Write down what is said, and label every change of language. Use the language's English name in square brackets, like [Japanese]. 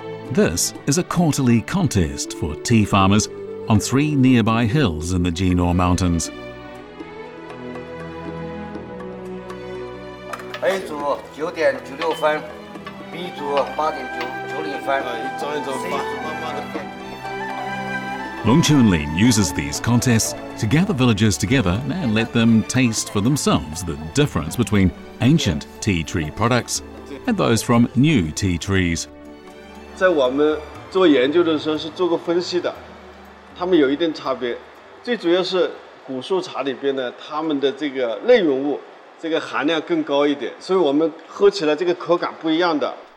[English] This is a quarterly contest for tea farmers on three nearby hills in the Jinor Mountains. [Chinese] A 组九点九六分 ，B 组八点九零分。一张一张发，慢慢的。 [English] Long Chun Lin uses these contests to gather villagers together and let them taste for themselves the difference between ancient tea tree products and those from new tea trees. [Chinese] 在我们做研究的时候是做过分析的，它们有一定差别。最主要是古树茶里边呢，它们的这个内容物。这个含量更高一点，所以我们喝起来这个口感不一样的。